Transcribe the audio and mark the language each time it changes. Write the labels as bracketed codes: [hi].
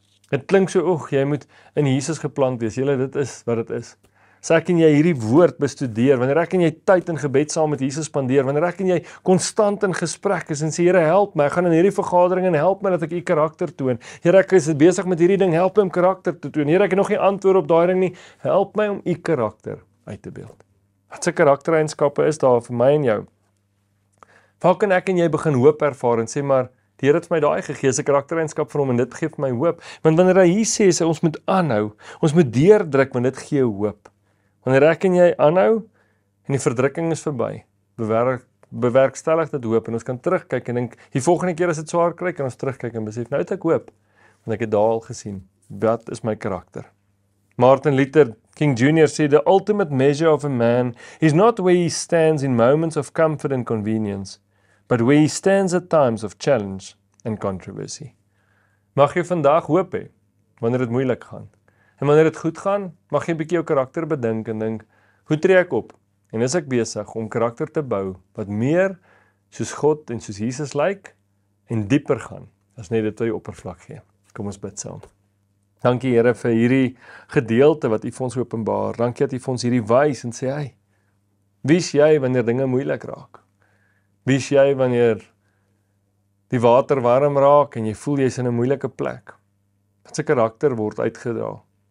[af] Dit klink so, oeg, jy moet in Jesus geplant wees. Julle, dit is wat dit is. As ek en jy hierdie woord bestudeer, wanneer ek en jy tyd in gebed saam met Jesus spandeer, wanneer ek en jy konstant in gesprek is en sê, Here, help my, ek gaan in hierdie vergadering en help my dat ek u karakter toon. Here, ek is besig met hierdie ding, help my om karakter te toon. Here, ek het nog nie antwoord op daai ding nie, help my om u karakter uit te beeld. Wat se karaktereienskappe is daar vir my en jou? Waar kan ek en jy begin hoop ervaar en sê maar, die Here het vir my daai gegee, se karaktereienskap vir hom en dit gee vir my hoop. Want wanneer hy hier sê, sê ons moet aanhou, ons moet deurdruk, want dit gee hoop. Wanneer ek en jy aanhou en die verdrukking is verby, bewerkstellig dit hoop en ons kan terugkyk en dink, die volgende keer as dit swaar kry, kan ons terugkyk en besef, nou het ek hoop, want ek het daal gesien. wat is my karakter? Martin Luther King Jr. [en] said, the ultimate measure of a man is not where he stands in moments of comfort and convenience, but where he stands at times of challenge and controversy. [af] Mag jy vandag hoop hê, wanneer dit moeilik gaan. En wanneer dit goed gaan, mag jy 'n bietjie jou karakter bedink en dink, hoe tree ek op? En is ek besig om karakter te bou wat meer soos God en soos Jesus lyk en dieper gaan as net dit wat jy oppervlak gee. Kom ons bid saam. Dankie Here vir hierdie gedeelte wat U vir ons openbaar. Dankie dat U vir ons hierdie wys en sê, "Hey, wie is jy wanneer dinge moeilik raak? Wie is jy wanneer die water warm raak en jy voel jy is in 'n moeilike plek? Wat se karakter word uitgedra?"